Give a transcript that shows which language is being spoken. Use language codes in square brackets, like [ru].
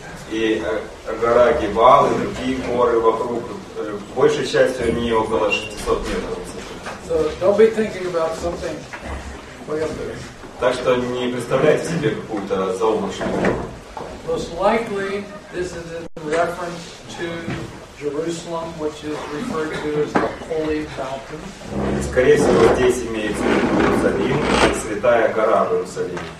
[ru] И гора Гибал и другие горы вокруг. Большей частью они около 600 метров. [en] So don't be thinking about something way up there. [ru] Так что не представляйте себе какую-то заоблачную. [en] Most likely this is in reference to Jerusalem, which is referred to as the Holy Mountain. [ru] Скорее всего, здесь имеется в виду Иерусалим, святая гора Иерусалим.